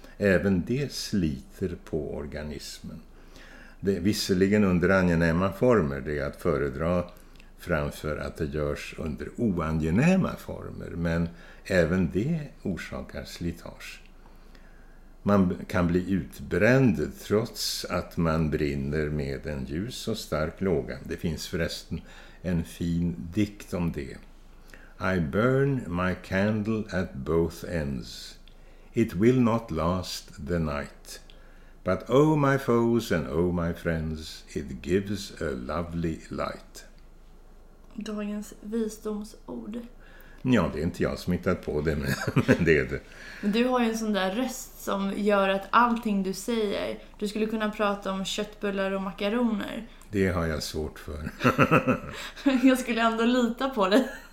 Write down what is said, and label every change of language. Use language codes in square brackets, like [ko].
[sv] Även det sliter på organismen. Det är visserligen under angenäma former, det är att föredra framför att det görs under oangenäma former. Men även det orsakar slitage. Man kan bli utbränd trots att man brinner med en ljus och stark låga. Det finns förresten en fin dikt om det. [en] I burn my candle at both ends. It will not last the night. But oh my foes and oh my friends, it gives a lovely light. [sv] Dagens visdomsord. Ja, det är inte jag som hittat på det, men det är det. Du har ju en sån där röst som gör att allting du säger, du skulle kunna prata om köttbullar och makaroner. Det har jag svårt för. Jag skulle ändå lita på det.